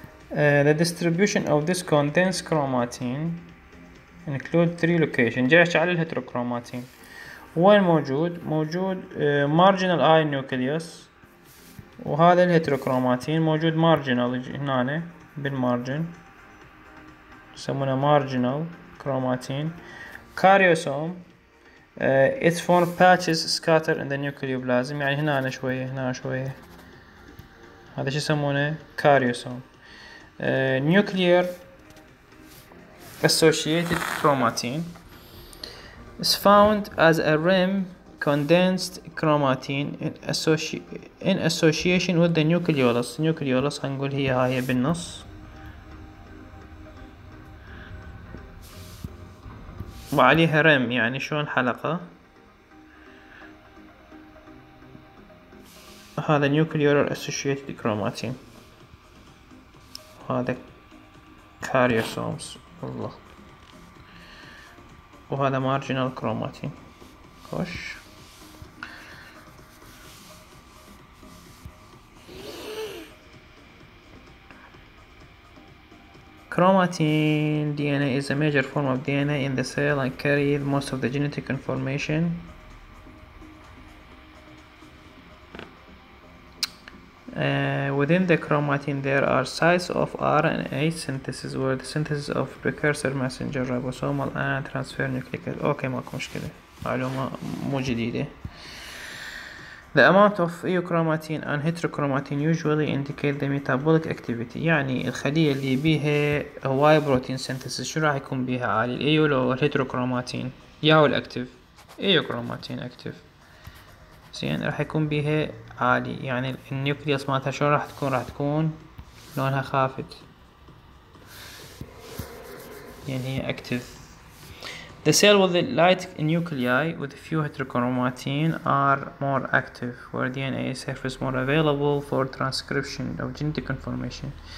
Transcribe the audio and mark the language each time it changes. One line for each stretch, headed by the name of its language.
English: The distribution of this condensed chromatin include three locations.
Arabic: جايش على الهيتروكروماتين وين موجود؟ موجود
English: marginal eye nucleus،
Arabic: وهذا الهيتروكروماتين موجود marginal هنا بالمارجن، يسمونه marginal chromatin.
English: Karyosome it forms patches scattered in the nucleoplasm،
Arabic: يعني هنا شوية هنا شوية، هذا شو يسمونه؟
English: karyosome. Nuclear associated chromatin is found as a rim condensed chromatin in association with the nucleolus.
Arabic: Nucleolus هنقول هي هاي بالنص، وعليها rim يعني شلون حلقة، هذا
English: nuclear associated chromatin،
Arabic: هذا كاريوسومز الله، وهذا مارجينال كروماتين. خوش
English: Chromatin D N A is a major form of D N A in the cell and carry most of the genetic information. Within the chromatin there are sites of RNA synthesis where the synthesis of precursor messenger ribosomal and transfer nucleic acid.
Arabic: Okay ماكو مشكلة، معلومة مو جديدة.
English: The amount of eochromatin and heterochromatin usually indicate the metabolic activity،
Arabic: يعني الخلية اللي بيها هواي بروتين synthesis شو راح يكون بيها عالي، الايو لو الهيتروكروماتين ياو الاكتيف، eochromatin اكتيف زين راح يكون بيها عالي، يعني النيوكليوس مالتها شلون راح تكون؟ راح تكون لونها خافت، يعني هي اكتف.
English: The cell with the light nuclei with a few heterochromatin are more active where DNA surface more available for transcription of genetic information.